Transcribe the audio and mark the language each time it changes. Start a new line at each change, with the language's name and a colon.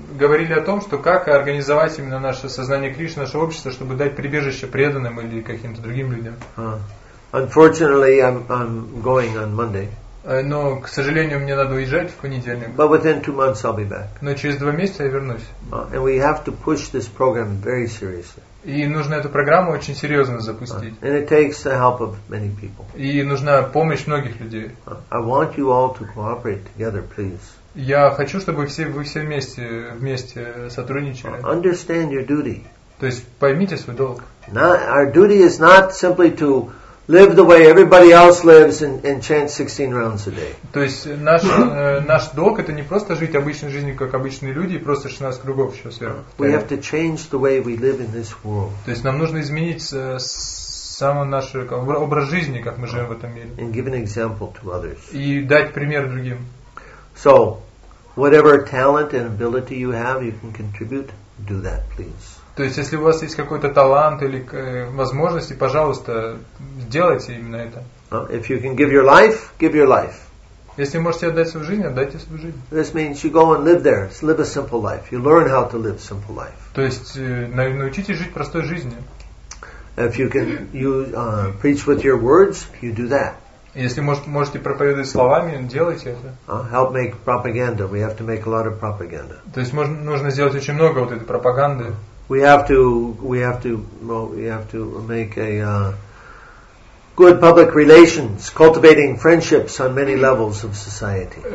Russian: Говорили о том, что как организовать именно наше сознание Кришны, наше общество, чтобы дать прибежище преданным или каким-то другим людям.
English: Unfortunately, I'm going on Monday.
Russian: Но, к сожалению, мне надо уезжать в понедельник.
English: But within 2 months I'll be back.
Russian: Но через 2 месяца я вернусь.
English: And we have to push this program very seriously.
Russian: И нужно эту программу очень серьезно запустить.
English: And it takes the help of many people.
Russian: И нужна помощь многих людей.
English: I want you all to cooperate together, please.
Russian: Я хочу, чтобы вы все вместе сотрудничали.
English: Understand your duty.
Russian: То есть поймите свой долг.
English: Our duty is not simply to live the way everybody else lives and chant 16 rounds a day.
Russian: То есть наш долг это не просто жить обычной жизнью, как обычные люди, и просто 16 кругов еще сверху.
English: We have to change the way we live in this world.
Russian: То есть нам нужно изменить сам наш образ жизни, как мы живем в этом мире.
English: And give an example to others.
Russian: И дать пример другим.
English: So, whatever talent and ability you have, you can contribute. Do that, please.
Russian: То есть, если у вас есть какой-то талант или возможности, пожалуйста, сделайте именно это.
English: If you can give your life, give your life.
Russian: Если можете отдать свою жизнь, отдайте свою жизнь.
English: This means you go and live there, live a simple life. You learn how to live simple life.
Russian: То есть, научитесь жить простой жизнью.
English: If you can, you preach with your words, you do that.
Russian: Если можете проповедовать словами, делайте это.
English: Help make propaganda. We have to make a lot of propaganda.
Russian: То есть нужно сделать очень много вот этой пропаганды.
English: We have to make a good public relations, cultivating friendships on many levels of society.